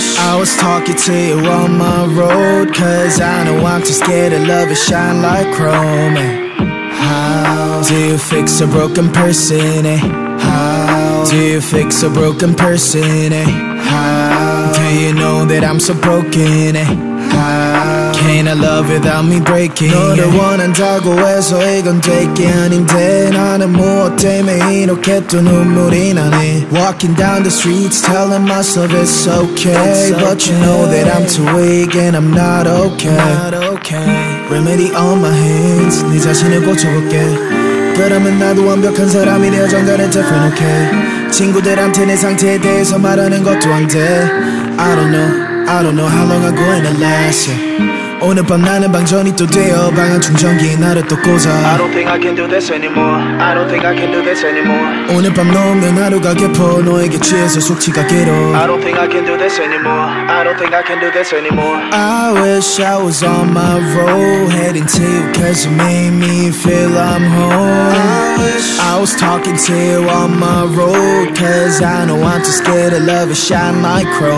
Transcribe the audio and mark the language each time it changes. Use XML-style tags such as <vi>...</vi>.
<en>I was talking to you on my road, cause I know I'm too scared of love, it shine like chrome. Do you fix a broken person, eh? How? Do you fix a broken person, eh? How? Do you know that I'm so broken, eh? How? Can I love without me breaking?</en> <ko>너를 원한다고 해서 이건 될게 아닌데 나는 무엇 때문에 이렇게 또 눈물이 나네.</ko> <en>Walking down the streets telling myself it's okay, but you know that I'm too weak and I'm not okay. Remedy on my hands,</en> <ko>네 자신을 고쳐볼게. 그러면 나도 완벽한 사람이 되어 정단을 덮어 놓게. 친구들한테 내 상태에 대해서 말하는 것도 안 돼.</ko> <en>I don't know how long I'm gonna last, yeah.</en> <ko>오늘 밤 나는 방전이 또 되어 방 안 충전기 나를 또 꽂아.</ko> <en>I don't think I can do this anymore. I don't think I can do this anymore.</en> <ko>오늘 밤 넘는 하루가 깊어 너에게 취해서 숙취가 길어.</ko> <en>I don't think I can do this anymore. I don't think I can do this anymore. I wish I was on my road, heading to you cause you made me feel I'm home. I was talking to you on my road, cause I know I'm too scared of love, it shine like chrome.</en>